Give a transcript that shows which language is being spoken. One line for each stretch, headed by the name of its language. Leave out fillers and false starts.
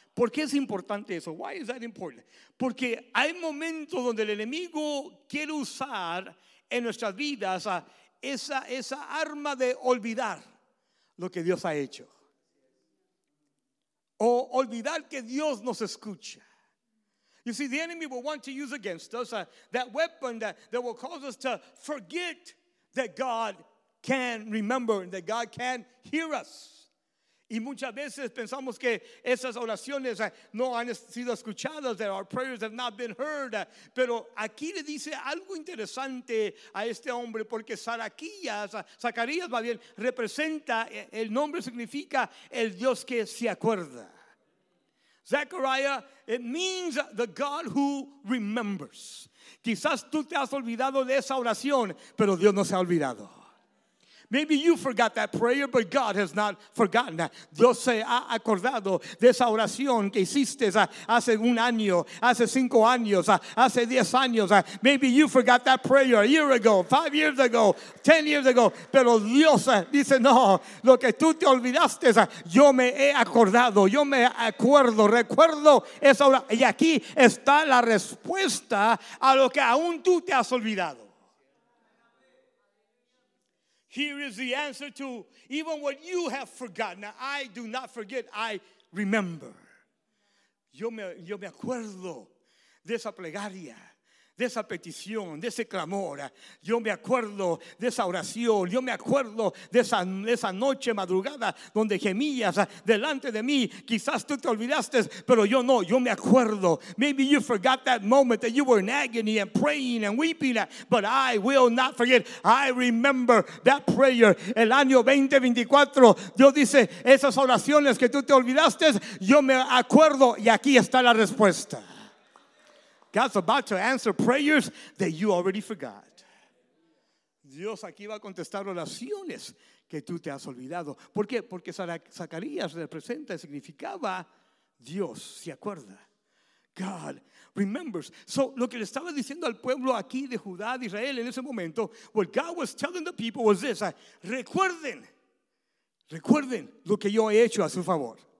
Spanish: ¿Por qué es importante eso?
English: Why is that important?
Spanish: Porque hay momentos donde el enemigo quiere usar en nuestras vidas esa arma de olvidar lo que Dios ha hecho. O olvidar que Dios nos escucha.
English: You see, the enemy will want to use against us that weapon that will cause us to forget that God can remember and that God can hear us.
Spanish: Y muchas veces pensamos que esas oraciones no han sido escuchadas,
English: that our prayers have not been heard.
Spanish: Pero aquí le dice algo interesante a este hombre, porque Zacarías, más bien, representa, el nombre significa el Dios que se acuerda.
English: Zechariah, it means the God who remembers.
Spanish: Quizás tú te has olvidado de esa oración, pero Dios no se ha olvidado.
English: Maybe you forgot that prayer, but God has not forgotten.
Spanish: Dios se ha acordado de esa oración que hiciste hace un año, hace 5 años, hace 10 años.
English: Maybe you forgot that prayer a year ago, 5 years ago, 10 years ago.
Spanish: Pero Dios dice, no, lo que tú te olvidaste, yo me he acordado, yo me acuerdo, recuerdo esa oración. Y aquí está la respuesta a lo que aún tú te has olvidado.
English: Here is the answer to even what you have forgotten. Now, I do not forget, I remember.
Spanish: Yo me acuerdo de esa plegaria, de esa petición, de ese clamor. Yo me acuerdo de esa oración, yo me acuerdo de esa noche madrugada donde gemías delante de mí. Quizás tú te olvidaste, pero yo no, yo me acuerdo.
English: Maybe you forgot that moment that you were in agony and praying and weeping, but I will not forget. I remember that prayer.
Spanish: El año 2024, Dios dice, esas oraciones que tú te olvidaste, yo me acuerdo, y aquí está la respuesta.
English: God's about to answer prayers that you already forgot.
Spanish: Dios aquí va a contestar oraciones que tú te has olvidado. ¿Por qué? Porque Zacarías representa, significaba Dios, ¿se acuerda?
English: God remembers.
Spanish: So, lo que le estaba diciendo al pueblo aquí de Judá, de Israel en ese momento,
English: what God was telling the people was this,
Spanish: recuerden lo que yo he hecho a su favor.